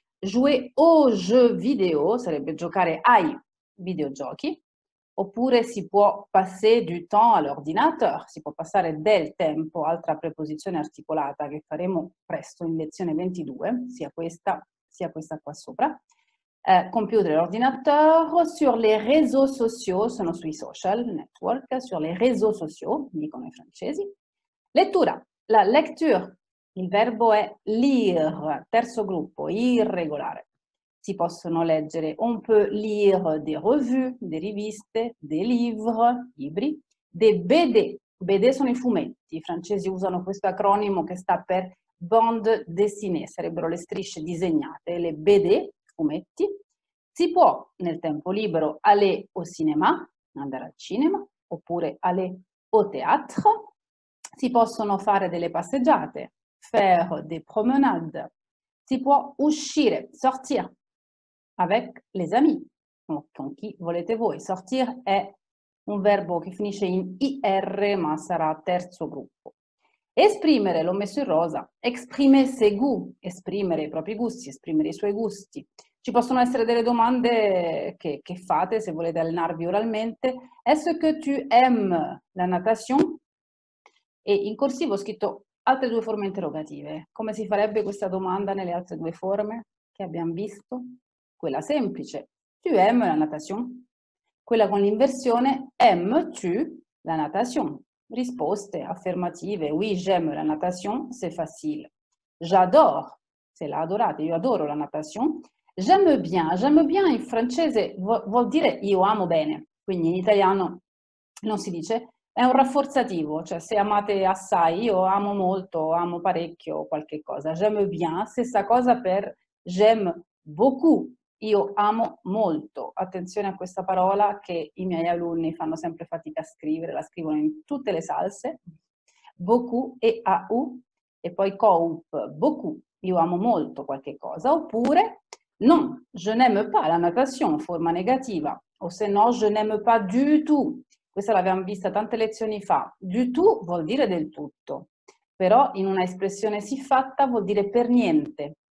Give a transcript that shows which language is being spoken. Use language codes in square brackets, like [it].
[fr] Jouer aux jeux vidéo [it] sarebbe giocare ai videogiochi, oppure si può [fr] passer du temps à l'ordinateur, [it] si può passare del tempo, altra preposizione articolata che faremo presto in lezione 22, sia questa qua sopra. [fr] Computer, ordinateur, sur les réseaux sociaux, [it] sono sui social network, [fr] sur les réseaux sociaux, [it] dicono i francesi. [fr] Lettura, la lecture. [it] Il verbo è lire, terzo gruppo, irregolare. Si possono leggere, [fr] on peut lire des revues, des riviste, des livres, libri, des BD. [it] BD sono i fumetti, i francesi usano questo acronimo che sta per bande dessinée, sarebbero le strisce disegnate, le BD, fumetti. Si può, nel tempo libero, [fr] aller au cinéma, [it] andare al cinema, oppure [fr] aller au théâtre. [it] Si possono fare delle passeggiate. [fr] Faire des promenades, [it] si può uscire, sortir, [fr] avec les amis, [it] o con chi volete voi. Sortir è un verbo che finisce in IR, ma sarà terzo gruppo. Esprimere, l'ho messo in rosa, [fr] exprimer ses goûts, [it] esprimere i propri gusti, esprimere i suoi gusti. Ci possono essere delle domande che fate se volete allenarvi oralmente. [fr] Est-ce que tu aimes la natation? [it] E in corsivo ho scritto altre due forme interrogative. Come si farebbe questa domanda nelle altre due forme che abbiamo visto? Quella semplice, [fr] tu aimes la natation? [it] Quella con l'inversione, [fr] aimes-tu la natation? [it] Risposte affermative. [fr] Oui, j'aime la natation, c'est facile. J'adore, c'est la adorata, [it] io adoro [fr] la natation. J'aime bien [it] in francese vuol dire io amo bene, quindi in italiano non si dice, è un rafforzativo, cioè se amate assai, io amo molto, amo parecchio qualche cosa. [fr] J'aime bien, [it] stessa cosa per [fr] j'aime beaucoup, [it] io amo molto. Attenzione a questa parola che i miei alunni fanno sempre fatica a scrivere, la scrivono in tutte le salse. Beaucoup e AU e poi COUP, beaucoup, io amo molto qualche cosa. Oppure non, [fr] je n'aime pas la natation, [it] forma negativa. O se no, [fr] je n'aime pas du tout. [it] Questa l'abbiamo vista tante lezioni fa. Du tout vuol dire del tutto. Però in una espressione siffatta vuol dire per niente.